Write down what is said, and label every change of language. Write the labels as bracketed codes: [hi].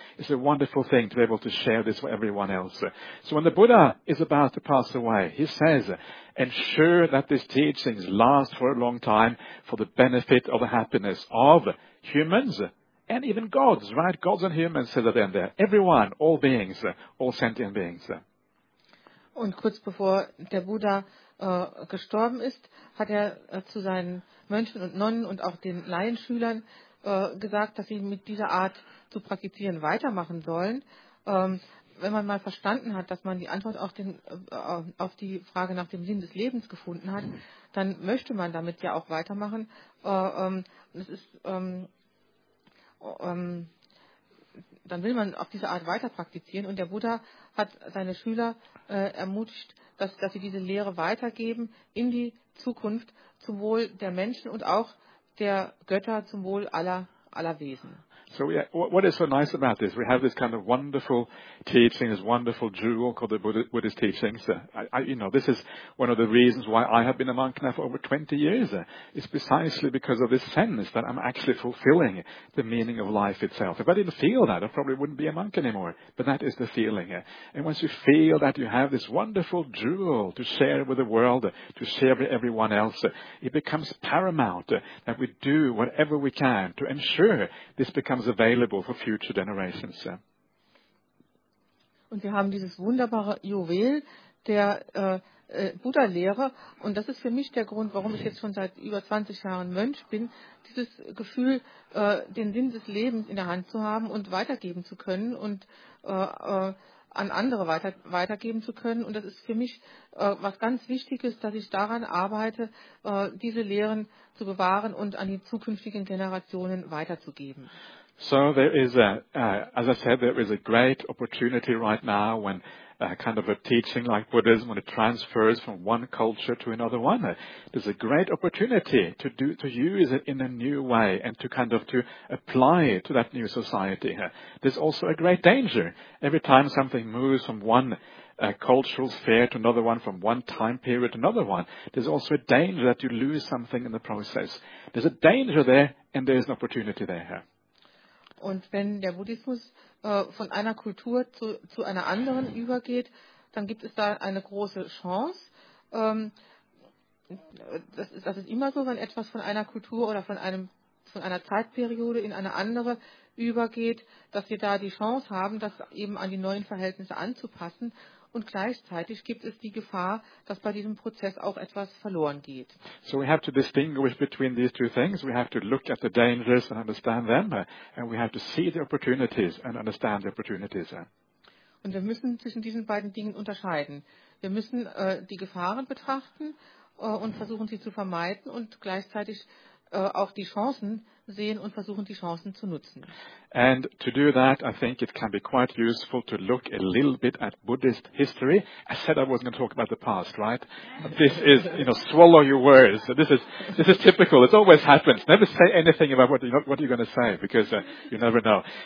[en] It's a wonderful thing to be able to share this with everyone else. So when the Buddha is about to pass away, he says, ensure that these teachings last for a long time for the benefit of the happiness of humans and even gods, right? Gods and humans, said the there. Everyone, all beings, all sentient beings. [de] Und kurz bevor der Buddha gestorben ist, hat zu seinen Mönchen und Nonnen und auch den Laienschülern gesagt, dass sie mit dieser Art zu praktizieren weitermachen sollen. Wenn man mal verstanden hat, dass man die Antwort auf die Frage nach dem Sinn des Lebens gefunden hat, dann möchte man damit ja auch weitermachen. Dann will man auf diese Art weiter praktizieren. Und der Buddha hat seine Schüler ermutigt, dass sie diese Lehre weitergeben in die Zukunft, zum Wohl der Menschen und auch der Götter, zum Wohl aller Wesen. [en] So what is so nice about this? We have this kind of wonderful teaching, this wonderful jewel called the Buddhist teachings. This is one of the reasons why I have been a monk now for over 20 years. It's precisely because of this sense that I'm actually fulfilling the meaning of life itself. If I didn't feel that, I probably wouldn't be a monk anymore. But that is the feeling. And once you feel that you have this wonderful jewel to share with the world, to share with everyone else, it becomes paramount that we do whatever we can to ensure this becomes available for future generations. [de] Und wir haben dieses wunderbare Juwel der Buddha-Lehre, und das ist für mich der Grund, warum ich jetzt schon seit über 20 Jahren Mönch bin, dieses Gefühl, den Sinn des Lebens in der Hand zu haben und weitergeben zu können und an andere weitergeben zu können. Und das ist für mich was ganz Wichtiges, dass ich daran arbeite, diese Lehren zu bewahren und an die zukünftigen Generationen weiterzugeben. [en] So there is as I said, there is a great opportunity right now when kind of a teaching like Buddhism, when it transfers from one culture to another one, there's a great opportunity to use it in a new way and to kind of to apply it to that new society. There's also a great danger. Every time something moves from one cultural sphere to another one, from one time period to another one, there's also a danger that you lose something in the process. There's a danger there and there's an opportunity there. [de] Und wenn der Buddhismus von einer Kultur zu einer anderen übergeht, dann gibt es da eine große Chance. Das ist immer so, wenn etwas von einer Kultur oder von einer Zeitperiode in eine andere übergeht, dass wir da die Chance haben, das eben an die neuen Verhältnisse anzupassen. Und gleichzeitig gibt es die Gefahr, dass bei diesem Prozess auch etwas verloren geht. [en] So we have to distinguish between these two things. We have to look at the dangers and understand them. And we have to see the opportunities and understand the opportunities. [de] Und wir müssen zwischen diesen beiden Dingen unterscheiden. Wir müssen die Gefahren betrachten und versuchen, sie zu vermeiden, und gleichzeitig auch die Chancen sehen und versuchen, die Chancen zu nutzen. [en] And to do that, I think it can be quite useful to look a little bit at Buddhist history. I said I wasn't going to talk about the past, right? This is, swallow your words. This is typical. It always happens. Never say anything about what you're going to say, because you never know.